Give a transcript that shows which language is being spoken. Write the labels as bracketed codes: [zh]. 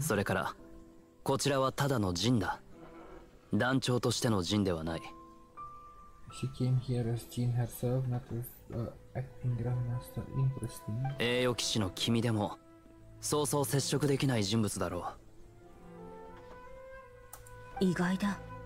[ja] それから、こちらはただのジンだ。団長としてのジンではない。 [en] She came here as Jean herself, not as acting grandmaster. Interesting. [ja] 栄誉騎士の君でも、そうそう接触できない人物だろう。意外だ。